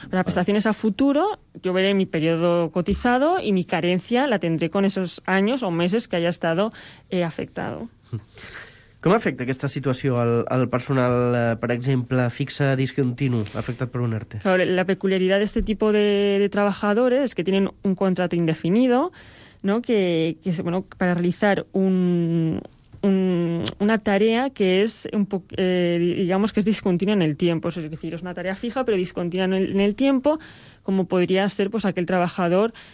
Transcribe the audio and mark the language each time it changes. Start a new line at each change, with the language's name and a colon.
Spanish: Para prestaciones a futuro, yo veré mi periodo cotizado y mi carencia la tendré con esos años o meses que haya estado afectado.
Catalan: Com afecta aquesta situació al personal, per exemple, fixa, discontinu, afectat per un ERTE?
Spanish: Claro, la peculiaridad de este tipo de trabajadores es que tienen un contrato indefinido, ¿no? Que bueno, para realizar una tarea que es digamos que es discontinua en el tiempo, es decir, es una tarea fija pero discontinua en el tiempo, como podría ser pues aquel trabajador